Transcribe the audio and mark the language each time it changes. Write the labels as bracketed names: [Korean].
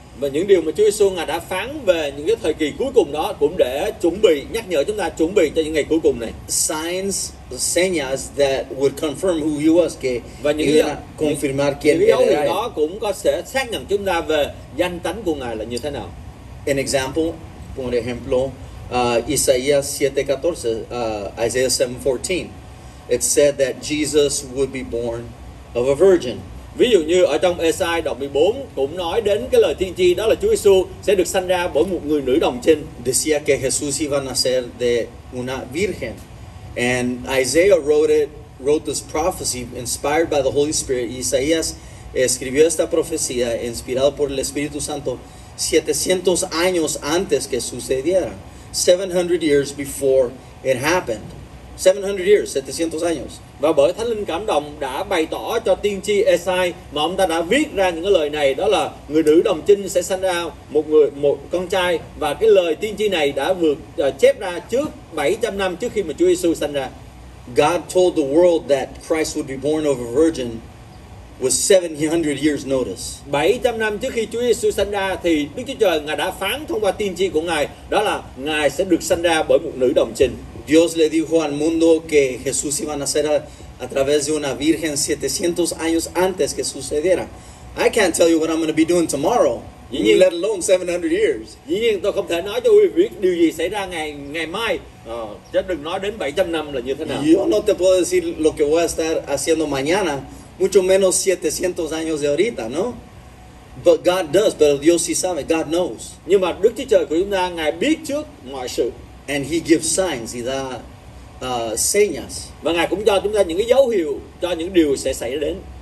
[Vietnamese] Và những điều mà Chúa Giêsu Ngài đã phán về những cái thời kỳ cuối cùng đó cũng để chuẩn bị, nhắc nhở chúng ta chuẩn bị cho những ngày cuối cùng này. [English] Signs, señas that would confirm who he was, que [Vietnamese] và những [Spanish] era confirmar quién [Vietnamese] Những dấu hiệu đó cũng có sẽ xác nhận chúng ta về danh tánh của Ngài là như thế nào. [English] An example, [Spanish] por ejemplo, [English] Isaiah 7:14. It said that Jesus would be born of a virgin. [Vietnamese] Ví dụ như ở trong Esai đoạn 14 cũng nói đến cái lời tiên tri đó là Chúa Giêsu sẽ được sanh ra bởi một người nữ đồng trinh. [Spanish] Decía que Jesús iba a nacer de una virgen. [English] And Isaiah wrote this prophecy inspired by the Holy Spirit. [Spanish] Isaías escribió esta profecía inspirado por el Espíritu Santo 700 años antes que sucediera. [English] 700 years before it happened. 700 years, [Spanish] 700 años. [Vietnamese] và bởi Thánh Linh cảm động đã bày tỏ cho tiên tri Esai mà ông ta đã viết ra những cái lời này, đó là người nữ đồng trinh sẽ sanh ra một con trai, và cái lời tiên tri này đã vượt chép ra trước 700 năm trước khi mà Chúa Giêsu sanh ra. [English] God told the world that Christ would be born of a virgin with 700 years notice. [Vietnamese] 700 năm trước khi Chúa Giêsu sanh ra thì Đức Chúa Trời Ngài đã phán thông qua tiên tri của Ngài, đó là Ngài sẽ được sanh ra bởi một nữ đồng trinh. [Spanish] Dios le dijo al mundo que Jesús iba a nacer a través de una virgen 700 años antes que sucediera. [English] I can't tell you what I'm going to be doing tomorrow, let alone 700 years. [Vietnamese] Dĩ nhiên tôi không thể nói cho quý vị biết điều gì xảy ra ngày mai. Chứ đừng nói đến 700 năm là như thế nào. [Spanish] Yo no te puedo decir lo que voy a estar haciendo mañana, mucho menos 700 años de ahorita, ¿no? [English] But God does, [Spanish] pero Dios sí sabe, [English] God knows. [Vietnamese] Nhưng mà Đức Chúa Trời của chúng ta, Ngài biết trước mọi sự. [English] And he gives signs, he [Spanish] da señas. [Vietnamese] Và Ngài cũng cho chúng ta những cái dấu hiệu cho những điều sẽ xảy đến.